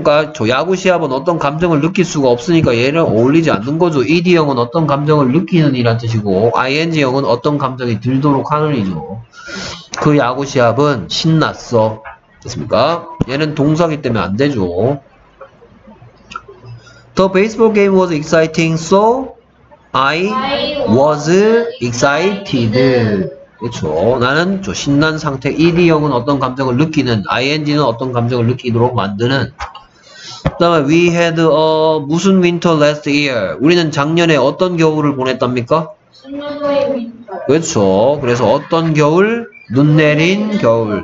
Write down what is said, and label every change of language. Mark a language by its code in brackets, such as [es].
[ko] 그러니까 저 야구 시합은 어떤 감정을 느낄 수가 없으니까 얘를 어울리지 않는 거죠. ED형은 어떤 감정을 느끼는 이란 뜻이고 ING형은 어떤 감정이 들도록 하는 이죠. 그 야구 시합은 신났어. 됐습니까? 얘는 동사기 때문에 안 되죠. [en] The baseball game was exciting, so I was excited. [ko] 그렇죠. 나는 저 신난 상태. ED형은 어떤 감정을 느끼는, ING는 어떤 감정을 느끼도록 만드는. 그 다음에 [en] We had a [ko] 무슨 [en] winter last year. [ko] 우리는 작년에 어떤 겨울을 보냈답니까? 스노우의 윈터. 그렇죠. 그래서 어떤 겨울? 눈 내린 겨울.